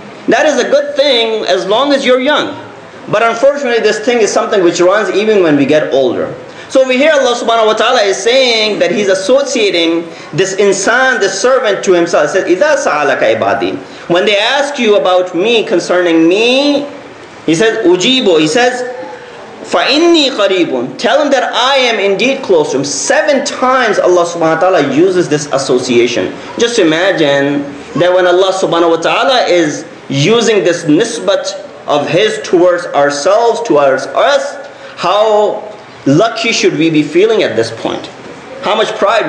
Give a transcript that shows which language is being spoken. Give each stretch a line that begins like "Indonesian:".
English: That is a good thing as long as you're young. But unfortunately, this thing is something which runs even when we get older. So we hear Allah subhanahu wa ta'ala is saying that he's associating this insan, this servant to himself. He says,
Arabic: إِذَا سَعَلَكَ عِبَادِي.
English: When they ask you about me, concerning me, he says, Ujibo.
Arabic: He says, فَإِنِّي قَرِيبٌ.
English: Tell him that I am indeed close to him. 7 times Allah subhanahu wa ta'ala uses this association. Just imagine that when Allah subhanahu wa ta'ala is using this nisbat of his towards ourselves, towards us, how lucky should we be feeling at this point? How much pride?